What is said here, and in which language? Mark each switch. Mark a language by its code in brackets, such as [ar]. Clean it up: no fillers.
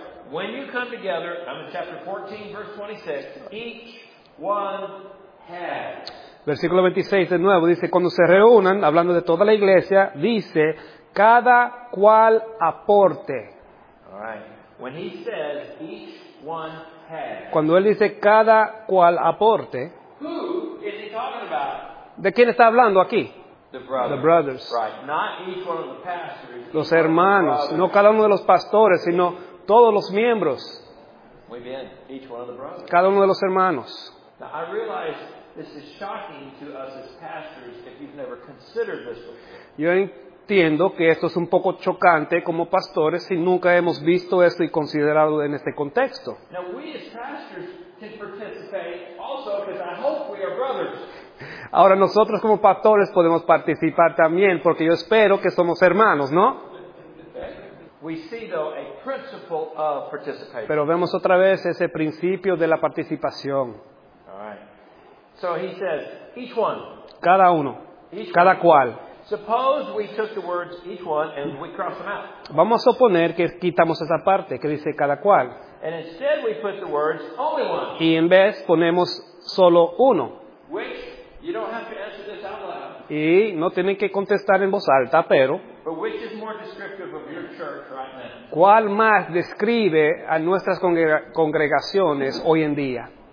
[en] When you come together, I'm in chapter 14, verse 26, each one has. [es] Versículo 26 de nuevo dice, cuando se reúnan, hablando de toda la iglesia, dice, cada cual aporte. [en] All right. When he says, each one has. [es] Cuando él dice, cada cual aporte. [en] Who is he talking about? [es] ¿De quién está hablando aquí? [en] The brothers. Right. Not each one of the pastors. [es] Los hermanos. No cada uno de los pastores, sino todos los miembros. Muy bien. [en] Each one of the brothers. [es] Cada uno de los hermanos. [en] Now, I realize this is shocking to us as pastors if you've never considered this before. [es] Yo entiendo que esto es un poco chocante como pastores si nunca hemos visto esto y considerado en este contexto. [en] Now, we as pastors can participate also because I hope we are brothers. [es] Ahora nosotros como pastores podemos participar también porque yo espero que somos hermanos, ¿no? [en] We see, though, a principle of participation. [es] Pero vemos otra vez ese principio de la participación. [en] All right. So he says, each one. [es] Cada uno. Cada cual. [en] Suppose we took the words each one and we cross them out. [es] Vamos a suponer que quitamos esa parte que dice cada cual. [en] And instead we put the words only one. [es] Y en vez ponemos solo uno. [en] Which you don't have to answer this out loud. [es] Y no tienen que contestar en voz alta, pero. [en] But which is more descriptive of your church right now? [es] ¿Cuál más describe a nuestras congregaciones hoy en día?